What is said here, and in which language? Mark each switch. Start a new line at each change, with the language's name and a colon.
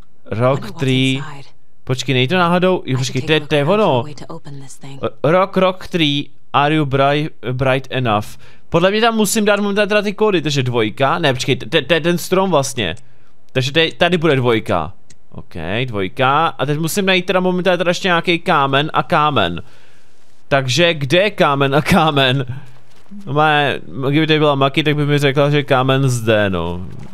Czech: Rock 3... Počkej, nejde to náhodou? Počkej, to je ono.
English: Rock 3, are you bright enough?
Czech: Podle mě tam musím dát momentálně teda ty kódy, takže dvojka. Ne, počkej, to je ten strom vlastně. Takže tady bude dvojka. OK, dvojka. A teď musím najít teda momentálně teda ještě nějaký kámen a kámen. Takže kde je kámen a kámen? Kdyby tady byla Maki, tak by mi řekla, že kámen zde, no.